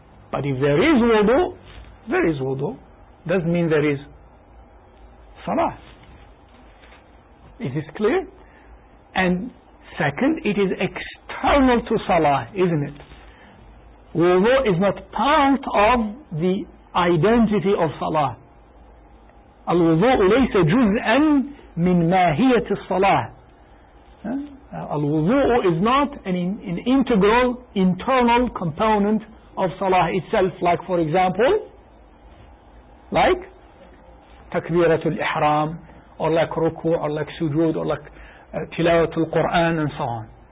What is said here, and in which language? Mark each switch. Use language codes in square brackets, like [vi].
[en] But if there is wudu, there is wudu. Doesn't mean there is salah. Is this clear? And second, it is external to salah, isn't it? Wudu is not part of the identity of salah. [ar] الوضوء ليس جزءا من ماهية الصلاة. [en] الوضوء is not an integral, internal component of salah itself. Like for example, like تكبيرة الإحرام, or like ركوع, or like سجود, or like تلاوة القرآن, and so on.